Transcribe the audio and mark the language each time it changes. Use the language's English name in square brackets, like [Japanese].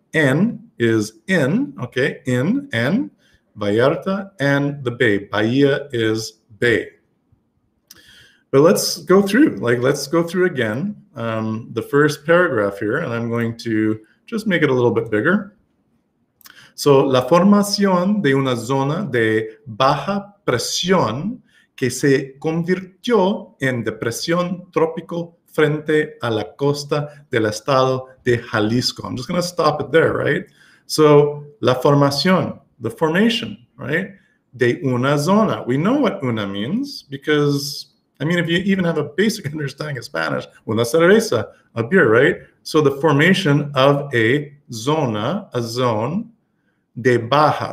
[English] N is in, okay, in, N, Vallarta and the Bay. Bahia is Bay. But let's go through, again, the first paragraph here, and I'm going to just make it a little bit bigger. [Spanish] So, la formación de una zona de baja presión que se convirtió en depresión trópico frente a la costa del estado de Jalisco. [English] I'm just going to stop it there, right? So, [Spanish] la formación, [English] the formation, right? [Spanish] De una zona. [English] We know what una means because, I mean, if you even have a basic understanding of Spanish, [Spanish] una cerveza, [English] a beer, right? So, the formation of a zona, a zone, [Spanish] de baja.